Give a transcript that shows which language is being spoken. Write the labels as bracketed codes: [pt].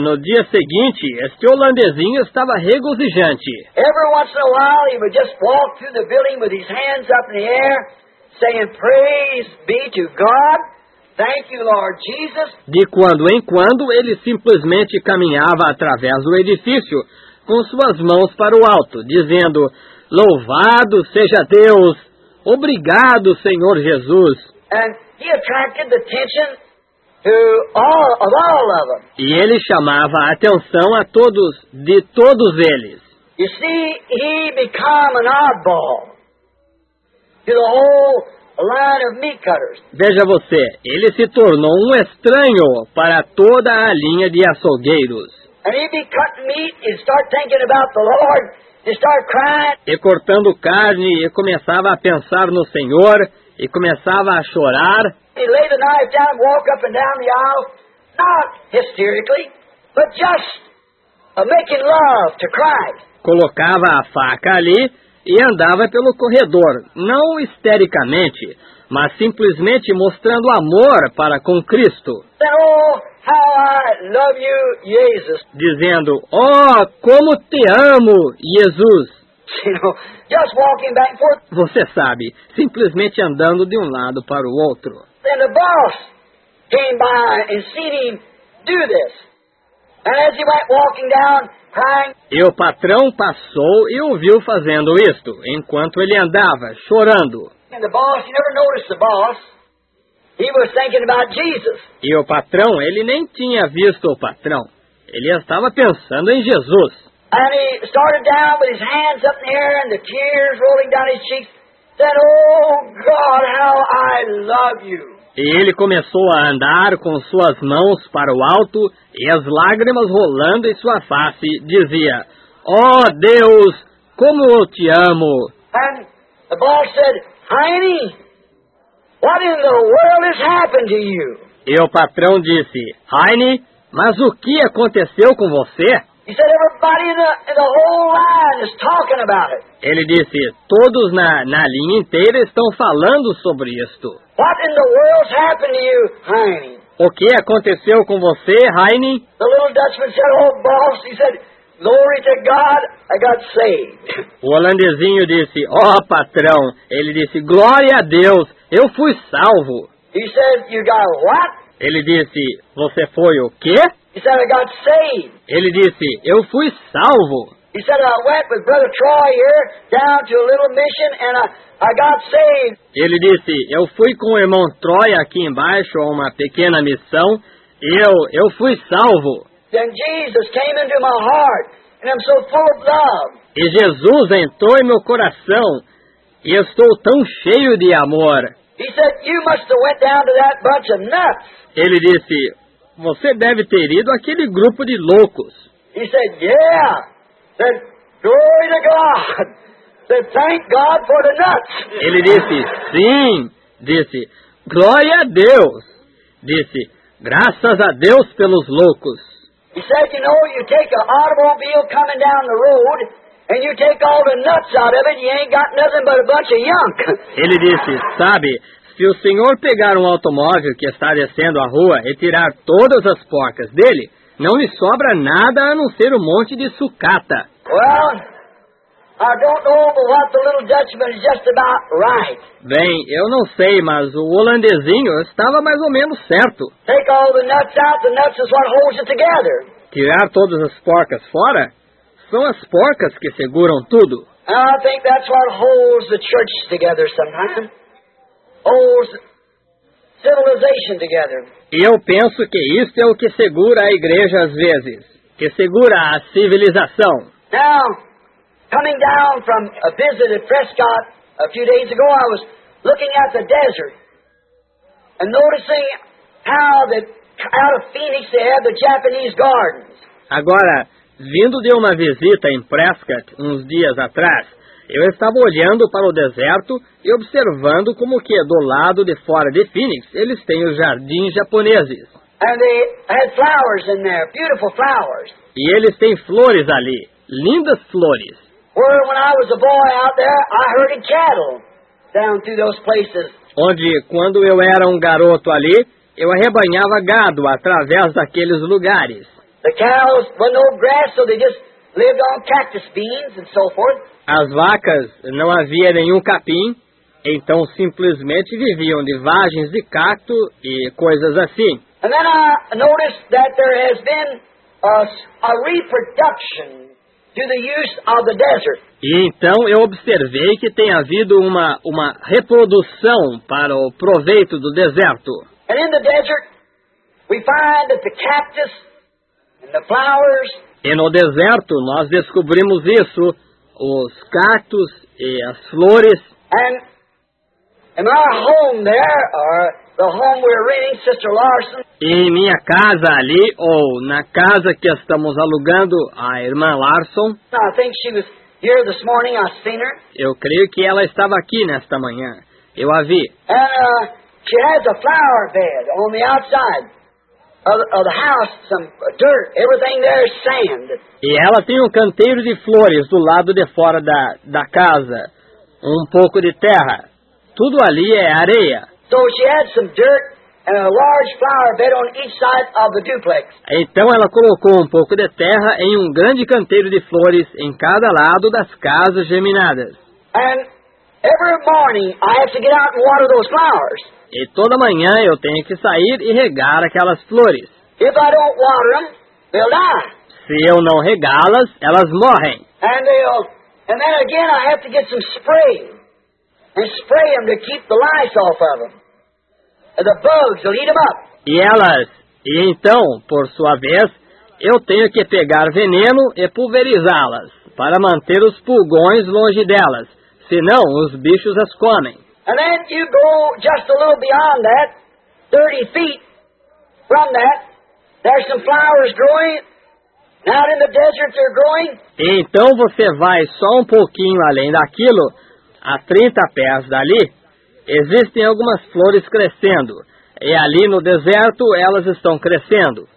[pt] no dia seguinte, este holandesinho estava regozijante. [en] Every once in a while, he would just walk through the building with his hands up in the air, saying, "Praise be to God." Thank you, Lord Jesus. [pt] De quando em quando, ele simplesmente caminhava através do edifício com suas mãos para o alto, dizendo, "Louvado seja Deus! Obrigado, Senhor Jesus!" [en] And he attracted the attention to all of them. [pt] E ele chamava a atenção a todos, de todos eles. [en] You see, he became an oddball to the whole line of meat cutters. [pt] Veja você, ele se tornou um estranho para toda a linha de açougueiros. [en] And he'd be cutting meat and start thinking about the Lord. He started crying. [pt] E cortando carne, e começava a pensar no Senhor, e começava a chorar. [en] He laid the knife down, walk up and down the aisle, not hysterically, but just making love to Christ. [pt] Colocava a faca ali e andava pelo corredor, não histericamente, mas simplesmente mostrando amor para com Cristo. [en] Then, oh, how I love you, Jesus. [pt] Dizendo, oh, como te amo, Jesus. [en] You know, just walking back and forth. [pt] Você sabe, simplesmente andando de um lado para o outro. [en] Then the boss came by and seen him do this. And as he went walking down, crying. [pt] E o patrão passou e o viu fazendo isto, enquanto ele andava, chorando. [en] And the boss, he never noticed the boss. He was thinking about Jesus. [pt] E o patrão, ele nem tinha visto o patrão. Ele estava pensando em Jesus. [en] And he started down with his hands up in the air and the tears rolling down his cheeks. Said, "Oh God, how I love you." [pt] E ele começou a andar com suas mãos para o alto e as lágrimas rolando em sua face, dizia, "Oh Deus, como eu te amo." [en] And the boss said, "Heine, what in the world has happened to you?" [pt] E o patrão disse, "Heine, mas o que aconteceu com você?" [en] He said, "Everybody in the whole line is talking about it." [pt] Ele disse, todos na linha inteira estão falando sobre isto. [en] What in the world's happened to you, Heine? [pt] O que aconteceu com você, Heine? [en] The little Dutchman said, "Oh, boss," he said, "Glory to God, I got saved." [pt] O holandesinho disse, "Oh, patrão," ele disse, "Glória a Deus, eu fui salvo." [en] He said, "You got what?" [pt] Ele disse, "Você foi o quê?" [en] He said, "I got saved." [pt] Ele disse, "Eu fui salvo." [en] He said, "I went with Brother Troy here down to a little mission and I got saved." [pt] Ele disse, "Eu fui com o irmão Troy aqui embaixo a uma pequena missão e eu fui salvo." [en] Then Jesus came into my heart and I'm so full of love. [pt] E Jesus entrou em meu coração e eu estou tão cheio de amor. [en] He said, "You must have went down to that bunch of nuts." [pt] Ele disse, "Você deve ter ido àquele grupo de loucos." [en] He said, "Yeah." Said, "Glory to God." Said, "Thank God for the nuts." [pt] Ele disse, "Sim." Disse, "Glória a Deus." Disse, "Graças a Deus pelos loucos." [en] He said, "You know, you take an automobile coming down the road, and you take all the nuts out of it, you ain't got nothing but a bunch of yunk." [pt] Ele disse, "Sabe, se o senhor pegar um automóvel que está descendo a rua e tirar todas as porcas dele, não lhe sobra nada a não ser um monte de sucata." [en] Well, I don't know what the little Dutchman is just about right. [pt] Bem, eu não sei, mas o holandesinho estava mais ou menos certo. [en] Take all the nuts out, the nuts is what holds it together. [pt] Tirar todas as porcas fora são as porcas que seguram tudo. [en] I think that's what holds the church together sometimes. Civilization together. [pt] E eu penso que isto é o que segura a igreja às vezes, que segura a civilização. [en] Now, coming down from a visit at Prescott a few days ago, I was looking at the desert and noticing how that out of Phoenix they have the Japanese gardens. [pt] Agora, vindo de uma visita em Prescott uns dias atrás, eu estava olhando para o deserto e observando como que do lado de fora de Phoenix eles têm os jardins japoneses. [en] And they had flowers in there, beautiful flowers. [pt] E eles têm flores ali, lindas flores. [en] where when I was a boy out there, I herded cattle down through those places. [pt] Onde, quando eu era um garoto ali, eu arrebanhava gado através daqueles lugares. [en] The cows were no grass, so they just lived on cactus beans and so forth. [pt] As vacas não havia nenhum capim, então simplesmente viviam de vagens de cacto e coisas assim. [en] And then I noticed that there has been a reproduction to the use of the desert. [pt] E então eu observei que tem havido uma reprodução para o proveito do deserto. [en] And in the desert, we find that the cactus and the flowers. [pt] E no deserto nós descobrimos isso, os cactos e as flores. [en] And in our home there, or the home we're renting, Sister Larson. [pt] Em minha casa ali, ou na casa que estamos alugando, a irmã Larson. [en] I think she was here this morning. I seen her. [pt] Eu creio que ela estava aqui nesta manhã. Eu a vi. [en] She has a flower bed on the outside of the house, some dirt, everything there is sand. [pt] E ela tem um canteiro de flores do lado de fora da casa, um pouco de terra. Tudo ali é areia. [en] So she had some dirt. And a large flower bed on each side of the duplex. [pt] Então ela colocou um pouco de terra em um grande canteiro de flores em cada lado das casas geminadas. [en] And every morning I have to get out and water those flowers. [pt] E toda manhã eu tenho que sair e regar aquelas flores. [en] If I don't water them, they'll die. [pt] Se eu não regá-las, elas morrem. [en] And then again I have to get some spray and spray them to keep the lice off of them. The bugs will eat them up. [pt] E então, por sua vez, eu tenho que pegar veneno e pulverizá-las para manter os pulgões longe delas, senão os bichos as comem. [en] And then you go just a little beyond that, 30 feet from that, there's some flowers growing. Out in the desert they're growing. [pt] E então você vai só um pouquinho além daquilo, a 30 pés dali. Existem algumas flores crescendo, e ali no deserto elas estão crescendo.